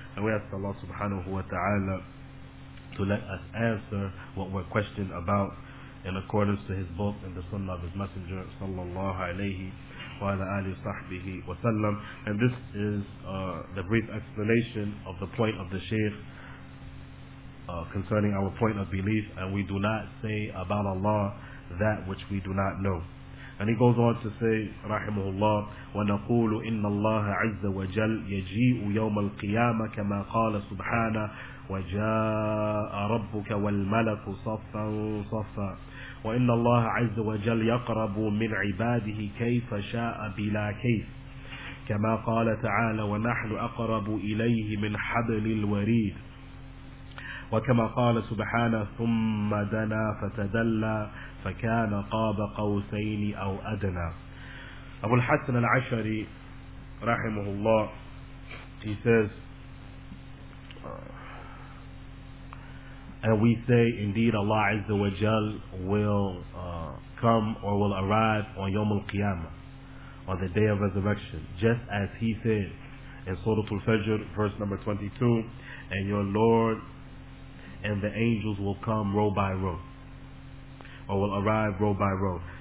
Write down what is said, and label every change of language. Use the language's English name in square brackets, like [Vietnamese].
[English] And we ask Allah subhanahu wa ta'ala to let us answer what we're questioned about in accordance to His book and the sunnah of His Messenger sallallahu alayhi [Arabic] وعلى آله وصحبه وسلم. [English] And this is the brief explanation of the point of the Shaykh concerning our point of belief, and we do not say about Allah that which we do not know. And he goes on to say, [Arabic] رحمه الله, وَنَقُولُ إِنَّ اللَّهَ عَزَّ وَجَلَّ يَجِيءُ يَوْمَ الْقِيَامَةِ كَمَا قَالَ سُبْحَانَهُ وَجَاءَ رَبُّكَ وَالْمَلَكُ صَفًّا صَفًّا وإن الله عز وجل يقرب من عباده كيف شاء بلا كيف كما قال تعالى ونحن أقرب إليه من حبل الوريد وكما قال سبحانه ثم دنا فتدلى فكان قاب قوسين أو أدنى. [English] أبو الحسن العشري رحمه الله, he says, and we say, indeed Allah Azza wa Jal will come or will arrive on Yawm al-Qiyamah, on the Day of Resurrection, just as He said in Surah Al-Fajr, verse number 22, and your Lord and the angels will come row by row, or will arrive row by row.